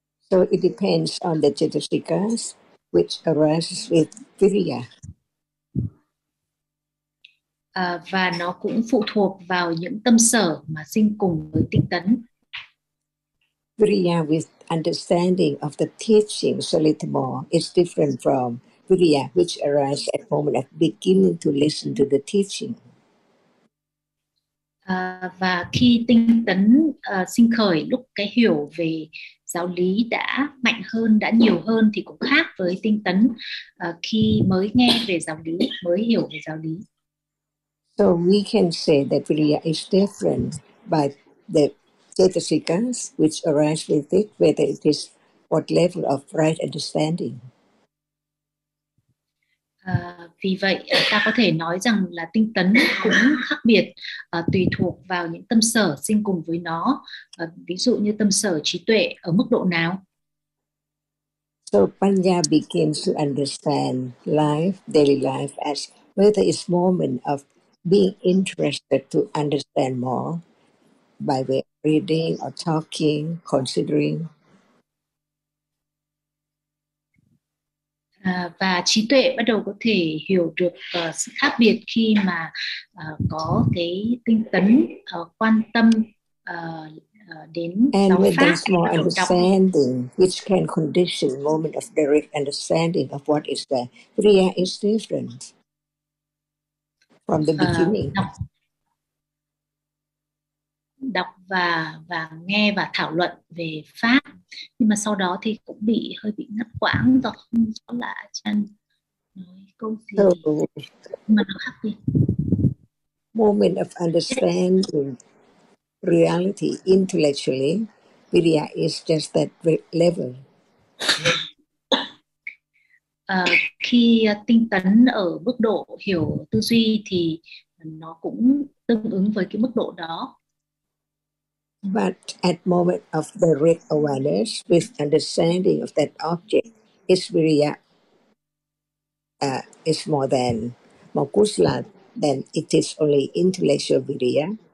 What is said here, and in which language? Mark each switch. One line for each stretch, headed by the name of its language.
English: So it depends on the chittasikas which arises with viriya.
Vietnamese: Và nó cũng phụ thuộc vào những tâm sở mà sinh cùng với tinh tấn.
English: Viriya with understanding of the teaching a little more is different from viriya which arises at moment of beginning to listen to the teaching.
Vietnamese: Và khi tinh tấn sinh khởi, lúc cái hiểu về giáo lý đã mạnh hơn, đã nhiều hơn thì cũng khác với tinh tấn khi mới nghe về giáo lý, mới hiểu về giáo lý.
English: So we can say that viriya is different by the chetasikas which arise with it, whether it is what level of right understanding.
Vietnamese: Vì vậy, ta có thể nói rằng là tinh tấn cũng khác biệt tùy thuộc vào những tâm sở sinh cùng với nó, ví dụ như tâm sở trí tuệ ở mức độ nào.
English: So Panya begins to understand life, daily life, as whether it's moment of being interested to understand more by way of reading or talking, considering.
Vietnamese: Và trí tuệ bắt đầu có thể hiểu được sự khác biệt khi mà có cái tinh tấn quan tâm đến giáo pháp.
English: And when there's more understanding, which can condition moment of direct understanding of what is there, viriya is different. from the beginning.
Vietnamese: Đọc và nghe và thảo luận về pháp, nhưng mà sau đó thì cũng bị hơi bị ngắt quãng do không rõ là chân nói câu gì.
English: So,
Vietnamese: mà nó khác đi.
English: Moment of understanding reality intellectually, Vidya is just that level.
Vietnamese: Khi tinh tấn ở mức độ hiểu tư duy thì nó cũng tương ứng với cái mức độ đó.
English: But at moment of the direct awareness with understanding of that object, is Vidya is more than Mokusala, then it is only intellectual Vidya.